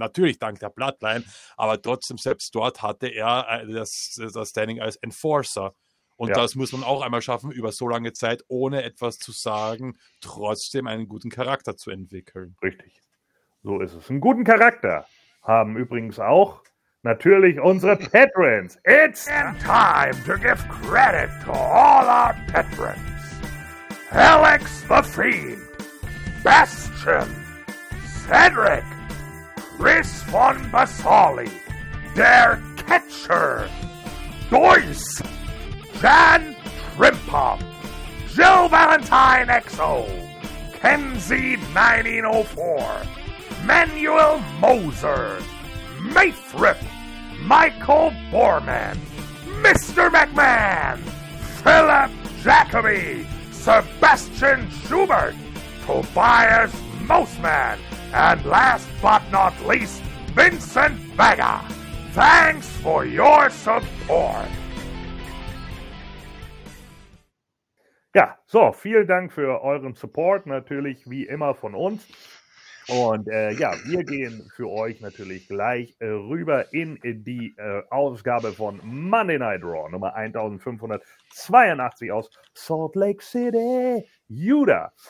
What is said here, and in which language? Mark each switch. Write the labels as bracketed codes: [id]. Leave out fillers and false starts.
[de] Natürlich dank der Bloodline, aber trotzdem selbst dort hatte er das Standing als Enforcer. Und ja. Das muss man auch einmal schaffen, über so lange Zeit, ohne etwas zu sagen, trotzdem einen guten Charakter zu entwickeln. Richtig. So ist es. Einen guten Charakter haben übrigens auch natürlich unsere Patrons. [en] It's time to give credit to all our Patrons. Alex the Fiend, Bastion, Cedric, Chris von Basali, Der Catcher, Dois, Jan Trimpop, Jill Valentine XO, Kenzie 1904, Manuel Moser, Mayfrip, Michael Borman, Mr. McMahon, Philip Jacoby, Sebastian Schubert, Tobias Mosman, and last but not least, Vincent Vega. Thanks for your support. [de] Ja, so, vielen Dank für euren Support, natürlich wie immer von uns. Und ja, wir gehen für euch natürlich gleich rüber in die Ausgabe von Monday Night Raw Nummer 1582 aus Salt Lake City, Utah.